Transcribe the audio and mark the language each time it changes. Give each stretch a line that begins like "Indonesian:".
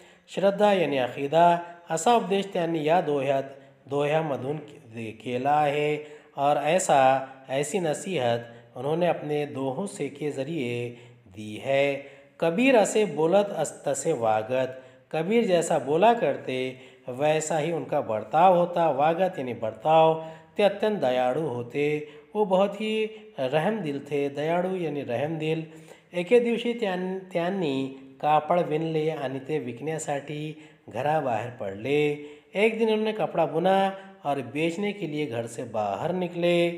Hindi: श्रद्धा यानी अकीदा,
Marathi: असा उपदेश त्यांनी या दोह्यामधून केला आहे,
Hindi: और ऐसी नसीहत उन्होंने अपने दोहों से के जरिए दी है।
Marathi: कबीर असे बोलत तसे वागत,
Hindi: कबीर जैसा बोला करते वैसा ही उनका बर्ताव होता। वागत यानी बर्ताव,
Marathi: ते अत्यंत दयाड़ू होते,
Hindi: वो बहुत ही रहम दिल थे, दयाड़ू यानी रहम दिल।
Marathi: एके दिवशी त्यांनी कापड़ विनले आणि ते विकण्यासाठी घरा बाहर पड़े।
Hindi: एक दिन उन्होंने कपड़ा बुना और बेचने के लिए घर से बाहर निकले।